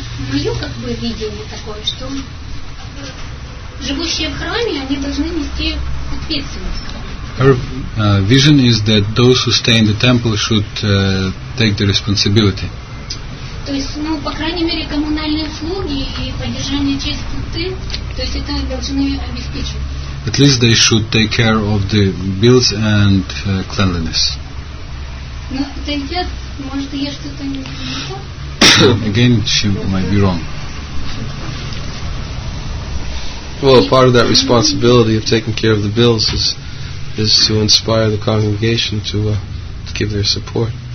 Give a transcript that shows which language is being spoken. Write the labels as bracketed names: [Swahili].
[Russian] Мое как бы видение такое, что живущие в храме, они должны нести ответственность. [English] Her vision is that those who stay in the temple should take the responsibility. [Russian] То есть, ну, по крайней мере, коммунальные услуги и поддержание чистоты. То есть это должны обеспечить. [English] At least they should take care of the bills and cleanliness. [Russian] Но это идет, может, я что-то не понимаю. [English] Again, she might be wrong. Well, part of that responsibility of taking care of the bills is to inspire the congregation to give their support.